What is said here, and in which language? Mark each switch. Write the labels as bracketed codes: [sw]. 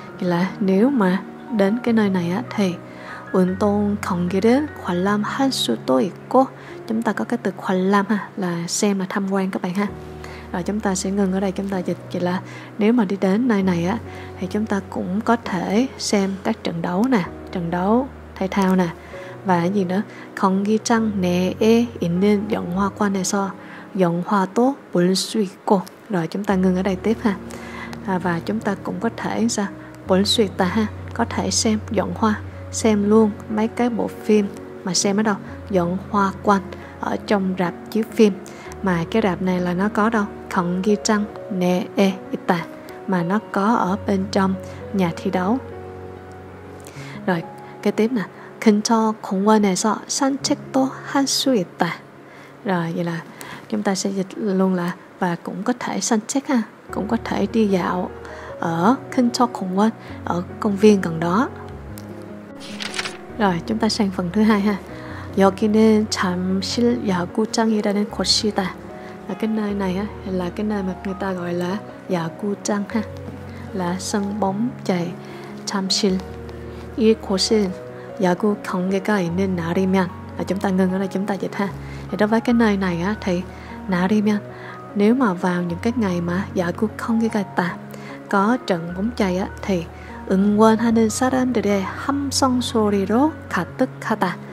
[vi] Nghĩa là nếu mà đến cái nơi này á thì [ko] 운동 경기를 관람할 수도 있고. [vi] Chúng ta có cái từ 관람 ha, là xem, là tham quan các bạn ha. Rồi chúng ta sẽ ngừng ở đây, chúng ta dịch vậy là nếu mà đi đến nơi này á thì chúng ta cũng có thể xem các trận đấu nè, trận đấu thể thao nè. Và gì nữa? [ko] 경기장 내에 있는 영화관에서 영화도 볼 수 있고. [vi] Rồi chúng ta ngừng ở đây tiếp ha. Và chúng ta cũng có thể sao? [ko] 볼 수 있다 [vi] ha, có thể xem 영화, xem luôn mấy cái bộ phim. Mà xem ở đâu? 영화관, ở trong rạp chiếu phim. Mà cái rạp này là nó có đâu? [ko] 경기장 내에 있다, [vi] mà nó có ở bên trong nhà thi đấu. Rồi kế tiếp nè, [ko] 근처 공원에서 산책도 할 수 있다. [vi] Rồi vậy là chúng ta sẽ dịch luôn là và cũng có thể 산책 ha, cũng có thể đi dạo ở [ko] 근처 공원, [vi] ở công viên gần đó. Rồi chúng ta sang phần thứ hai ha. [ko] 여기는 잠실 야구장이라는 곳이다. [vi] Là cái nơi này á, là cái nơi mà người ta gọi là 야구장 ha, là sân bóng chạy. [ko] 잠실 이곳은 야구 경기가 있는 날이면, [vi] là chúng ta ngừng ở đây, chúng ta dịch ha. Thì đối với cái nơi này á thì 날이면, nếu mà vào những cái ngày mà [ko] 야구 경기가 있다, [vi] có trận bóng chạy á, thì [ko] 응원하는 사람들의 함성 소리로 가득하다.